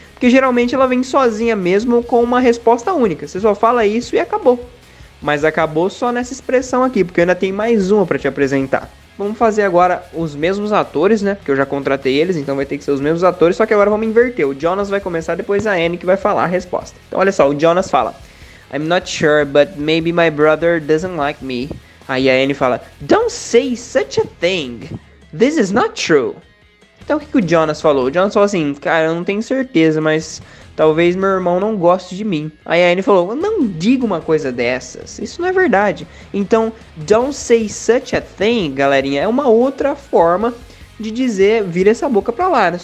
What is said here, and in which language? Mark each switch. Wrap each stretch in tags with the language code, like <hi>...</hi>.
<pt>Porque geralmente ela vem sozinha mesmo com uma resposta única. Você só fala isso e acabou. Mas acabou só nessa expressão aqui, porque eu ainda tenho mais uma pra te apresentar. Vamos fazer agora os mesmos atores, né? Porque eu já contratei eles, então vai ter que ser os mesmos atores. Só que agora vamos inverter. O Jonas vai começar, depois a Annie que vai falar a resposta. Então olha só, o Jonas fala,</pt> <en>I'm not sure, but maybe my brother doesn't like me.</en> <pt>Aí a Annie fala,</pt> <en>don't say such a thing. This is not true.</en> <pt>Então o que, que o Jonas falou? O Jonas falou assim, cara, eu não tenho certeza, mas talvez meu irmão não goste de mim. Aí a Annie falou, não diga uma coisa dessas, isso não é verdade. Então,</pt> <en>don't say such a thing,</en> <pt>galerinha, é uma outra forma de dizer, vira essa boca pra lá, né?</pt>